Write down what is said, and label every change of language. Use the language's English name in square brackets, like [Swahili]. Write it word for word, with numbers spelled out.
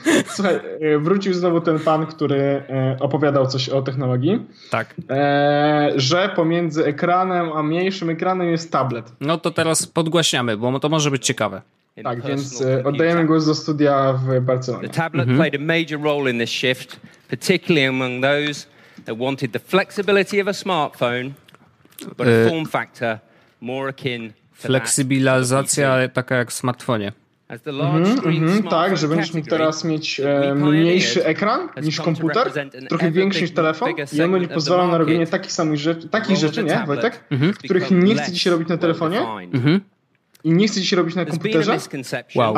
[Polish] Słuchaj, wrócił znowu ten pan, który opowiadał coś o technologii. Tak. E, że pomiędzy ekranem a mniejszym ekranem jest tablet. No to teraz podgłaśniamy, bo to może być ciekawe. Tak, więc oddajemy głos do studia w Barcelonie. [English] The tablet mhm. played a major role in this shift, particularly among those that wanted the flexibility of a smartphone, but a form factor more akin to [Polish] Fleksibilizacja taka jak w smartfonie. Mm-hmm, mm-hmm, tak, że będziesz mógł teraz mieć e, mniejszy ekran niż komputer, trochę większy niż telefon i on będzie pozwalał na robienie takich samych rzeczy, takich rzeczy, nie Wojtek? Mm-hmm. Których nie chce ci się robić na telefonie mm-hmm. i nie chce ci się robić na komputerze, wow.